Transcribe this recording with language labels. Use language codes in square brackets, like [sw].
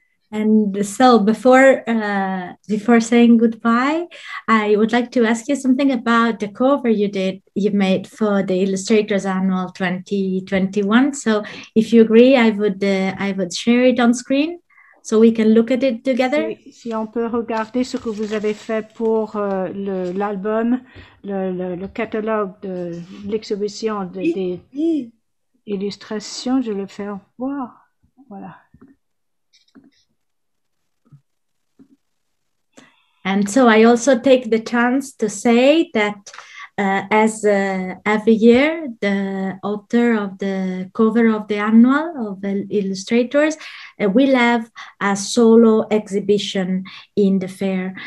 [en] And so before saying goodbye, I would like to ask you something about the cover you made for the Illustrators Annual 2021. So if you agree, I would share it on screen so we can look at it together. [fr] Si on peut regarder ce que vous avez fait pour l'album, le catalogue de l'exhibition des illustrations, je le fais voir. Voilà. [en] And so I also take the chance to say that as every year, the author of the cover of the annual of illustrators will have a solo exhibition in the fair.